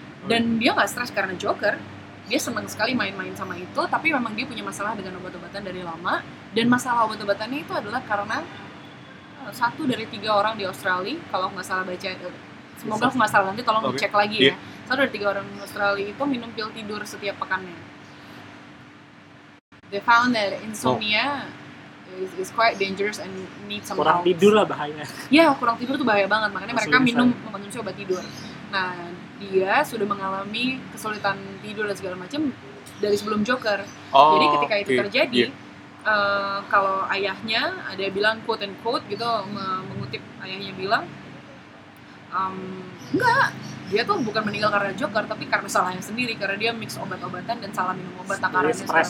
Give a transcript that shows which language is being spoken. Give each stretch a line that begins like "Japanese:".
Indonesian: Dan dia gak stres karena Joker. Dia senang sekali main-main sama itu. Tapi memang dia punya masalah dengan obat-obatan dari lama. Dan masalah obat-obatannya itu adalah karena satu dari tiga orang di Australia, kalau gak salah baca, semoga gak salah, nanti tolong dicek lagi ya. Satu dari tiga orang di Australia itu minum pil tidur setiap pekannya.
English: They found that insomnia is quite dangerous and need some
Indonesian: kurang Tidur lah bahayanya. Ya, kurang tidur tuh bahaya banget. Makanya mereka minum, mengonsumsi obat tidur. Nah, dia sudah mengalami kesulitan tidur dan segala macam dari sebelum Joker. Oh, jadi ketika itu terjadi, kalau ayahnya ada bilang
English: quote and quote
Indonesian: gitu, mengutip ayahnya bilang, enggak, dia tuh bukan meninggal karena Joker, tapi karena salahnya sendiri, karena dia mix obat-obatan dan salah minum obat takarannya segala macam.